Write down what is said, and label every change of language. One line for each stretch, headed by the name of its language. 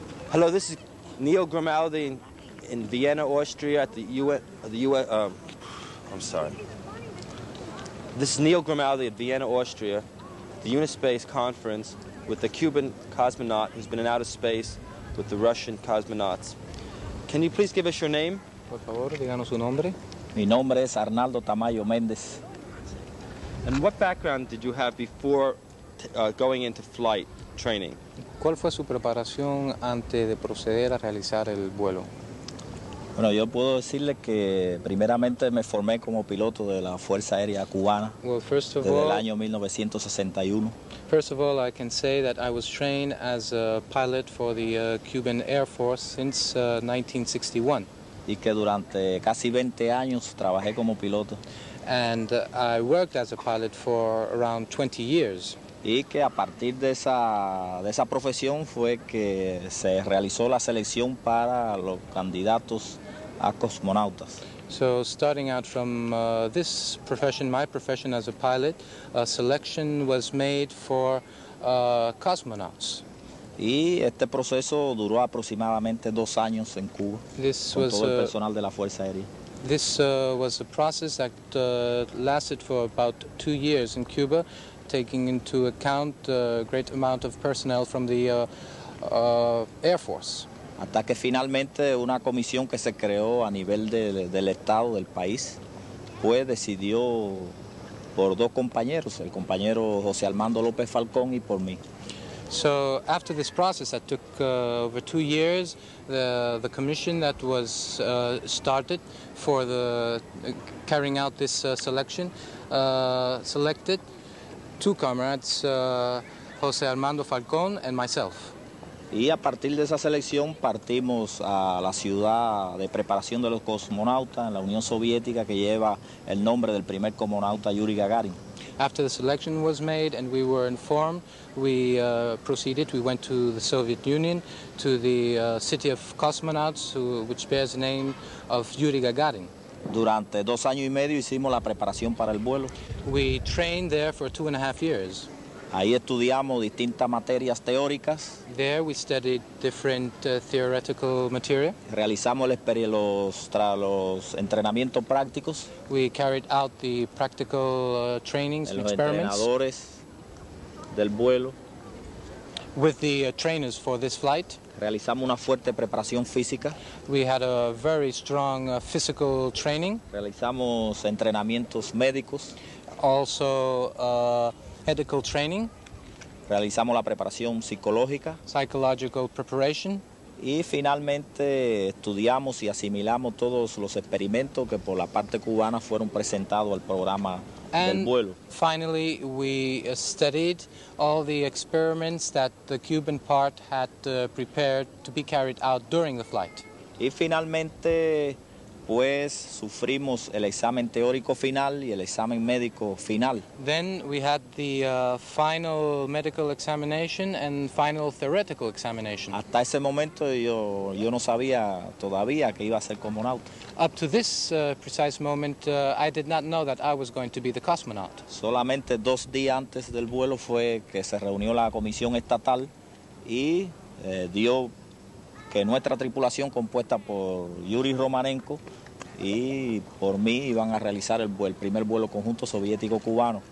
English: Hello, this is Neil Grimaldi in Vienna, Austria at the UN. This is Neil Grimaldi at Vienna, Austria, the Unispace conference with the Cuban cosmonaut who's been in outer space with the Russian cosmonauts. Can you please give us your name?
Spanish: Por favor, díganos su nombre. Mi nombre es Arnaldo Tamayo Méndez.
English: And what background did you have before going into flight training?
Spanish: ¿Cuál fue su preparación antes de proceder a realizar el vuelo? Bueno, yo puedo decirle que primeramente me formé como piloto de la Fuerza Aérea Cubana.
English: Well, first of
Spanish: desde
English: all,
Spanish: el año 1961.
English: First of all, I can say that I was trained as a pilot for the Cuban Air Force since 1961.
Spanish: Y que durante casi 20 años trabajé como piloto.
English: And I worked as a pilot for around 20 years.
Spanish: Y que a partir de esa profesión fue que se realizó la selección para los candidatos a cosmonautas.
English: So starting out from this profession, my profession as a pilot, a selection was made for cosmonauts.
Spanish: Y este proceso duró aproximadamente 2 años en Cuba,
English: this
Spanish: con
English: was
Spanish: todo el personal de la Fuerza Aérea.
English: This was a process that lasted for about 2 years in Cuba, taking into account a great amount of personnel from the Air Force.
Spanish: Hasta que finalmente una comisión que se creó a nivel del estado del país, pues decidió por dos compañeros, el compañero José Armando López Falcón y por mí.
English: So after this process that took over 2 years, the commission that was started for the carrying out this selection selected two comrades, José Armando Falcón and myself.
Spanish: Y a partir de esa selección partimos a la ciudad de preparación de los cosmonautas en la Unión Soviética que lleva el nombre del primer cosmonauta Yuri Gagarin.
English: After the selection was made and we were informed, we proceeded, we went to the Soviet Union, to the city of cosmonauts, which bears the name of Yuri Gagarin.
Spanish: Durante 2 años y medio hicimos la preparación para el vuelo.
English: We trained there for 2.5 years.
Spanish: Ahí estudiamos distintas materias teóricas.
English: There we studied different theoretical material.
Spanish: Realizamos los entrenamientos prácticos.
English: We carried out the practical trainings and experiments.
Spanish: Los entrenadores del vuelo.
English: With the trainers for this flight.
Spanish: Realizamos una fuerte preparación física.
English: We had a very strong physical training.
Spanish: Realizamos entrenamientos médicos.
English: Also medical training.
Spanish: Realizamos la preparación psicológica.
English: Psychological preparation.
Spanish: Y finalmente estudiamos y asimilamos todos los experimentos que por la parte cubana fueron presentados al programa
English: and
Spanish: del vuelo.
English: Finally, we studied all the experiments that the Cuban part had prepared to be carried out during the flight.
Spanish: Y finalmente, pues, sufrimos el examen teórico final y el examen médico final.
English: Then we had the final medical examination and final theoretical examination.
Spanish: Hasta ese momento yo no sabía todavía que iba a ser cosmonauta.
English: Up to this precise moment, I did not know that I was going to be the cosmonaut.
Spanish: Solamente dos días antes del vuelo fue que se reunió la comisión estatal y dio que nuestra tripulación compuesta por Yuri Romanenko y por mí iban a realizar el primer vuelo conjunto soviético-cubano.